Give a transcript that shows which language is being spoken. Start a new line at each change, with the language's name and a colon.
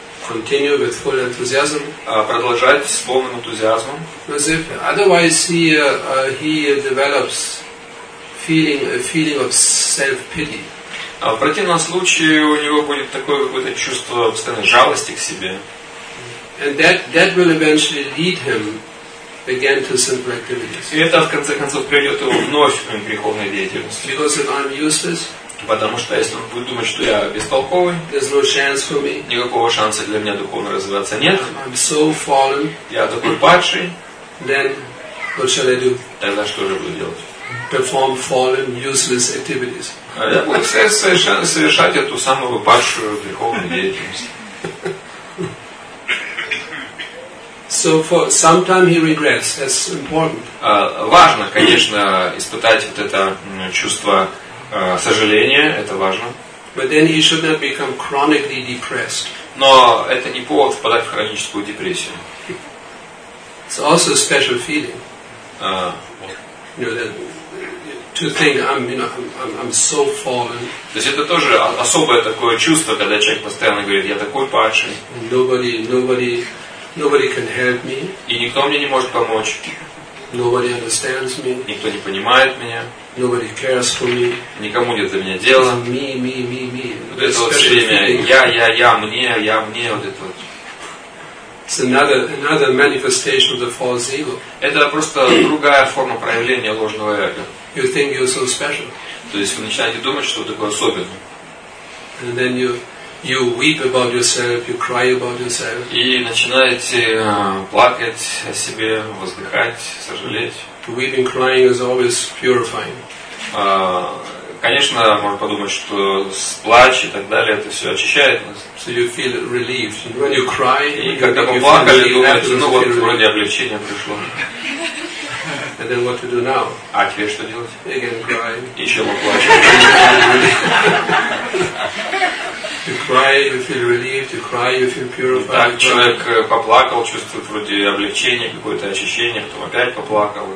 English: Continue with full enthusiasm.
Russian: Продолжать с полным энтузиазмом.
English: As if otherwise he develops a feeling of self-pity.
Russian: В противном случае у него будет такое какое-то чувство постоянной жалости к себе.
English: And that will eventually lead him again to sinful activities.
Russian: И это в конце концов приведет его вновь к греховной деятельности.
English: Because if I'm useless.
Russian: Потому что если он будет думать, что я бестолковый,
English: no chance for me.
Russian: Никакого шанса для меня духовно развиваться нет.
English: I'm so fallen.
Russian: Я такой падший.
English: Then what shall I do?
Russian: Тогда что же буду делать?
English: Perform fallen, useless activities.
Russian: Я буду совершать эту самую падшую духовную деятельность.
English: So for some time he regrets. That's important.
Russian: Важно, конечно, испытать вот это чувство. Сожаление, это важно.
English: But then he should not become chronically depressed.
Russian: Но это не повод впадать в хроническую депрессию.
English: It's also a special feeling. You know, that to think I'm so fallen.
Russian: То есть это тоже особое такое чувство, когда человек постоянно говорит, я такой падший.
English: Nobody can help me.
Russian: И никто мне не может помочь.
English: Nobody understands me.
Russian: Никто не понимает меня.
English: Nobody cares for me.
Russian: Никому нет за меня дела.
English: Me.
Russian: Вот это вот все время я мне вот это вот.
English: It's another manifestation of the false ego.
Russian: Это просто другая форма проявления ложного эго.
English: You think you're so special.
Russian: То есть вы начинаете думать, что вы такой особенный.
English: And then you weep about yourself, you cry about yourself.
Russian: И начинаете плакать о себе, вздыхать, сожалеть.
English: Weeping, crying is always purifying.
Russian: Конечно, можно подумать, что плач и так далее, это все очищает нас.
English: So you feel relieved. And when you cry,
Russian: и когда вы плакали, думаете, ну вот вроде облегчение пришло.
English: And then what to do now?
Russian: А теперь что делать?
English: Again cry.
Russian: Еще поплачем.
English: You cry, you feel relieved, you cry, you feel purified.
Russian: Так, человек поплакал, чувствует вроде облегчение, какое-то очищение, потом опять поплакал.